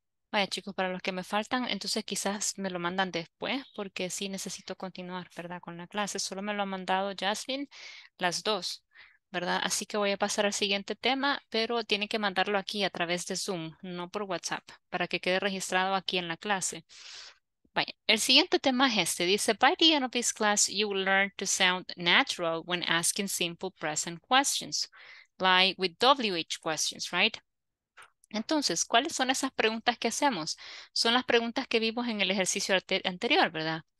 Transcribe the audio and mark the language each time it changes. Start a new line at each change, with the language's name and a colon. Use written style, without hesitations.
Spanish: Vaya, chicos, para los que me faltan, entonces quizás me lo mandan después, porque sí necesito continuar, ¿verdad?, con la clase. Solo me lo ha mandado Jasmine, las dos, ¿verdad? Así que voy a pasar al siguiente tema, pero tienen que mandarlo aquí a través de Zoom, no por WhatsApp, para que quede registrado aquí en la clase. Vaya, el siguiente tema es este.
English: Dice, by the end of this class, you will learn to sound natural when asking simple present questions, like with WH questions, right?
Spanish: Entonces, ¿cuáles son esas preguntas que hacemos? Son las preguntas que vimos en el ejercicio anterior, ¿verdad?